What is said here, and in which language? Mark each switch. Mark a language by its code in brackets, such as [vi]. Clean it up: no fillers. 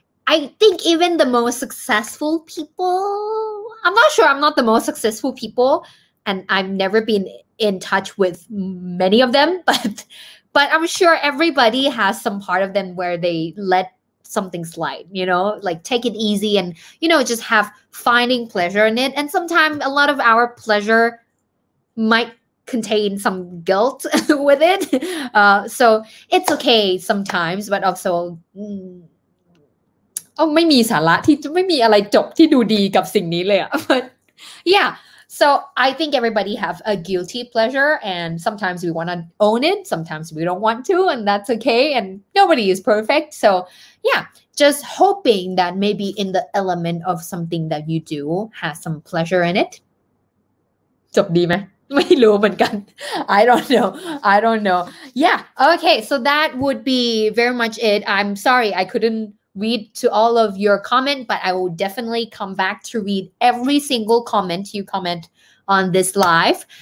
[en] I think even the most successful people, I'm not sure, I'm not the most successful people, and I've never been in touch with many of them, but I'm sure everybody has some part of them where they let something slide, you know, like take it easy and, you know, just have finding pleasure in it. And sometimes a lot of our pleasure might contain some guilt with it. So it's okay sometimes, but also... [th] Oh, ไม่มีสาระที่ไม่มีอะไรจบที่ดูดีกับสิ่งนี้เลยอ่ะ but [en] yeah so I think everybody have a guilty pleasure and sometimes we want to own it sometimes we don't want to and that's okay and nobody is perfect so yeah just hoping that maybe in the element of something that you do has some pleasure in it [th] จบดีไหมไม่รู้เหมือนกัน [en] I don't know yeah okay so that would be very much it I'm sorry I couldn'tread to all of your comment, but I will definitely come back to read every single comment you comment on this live.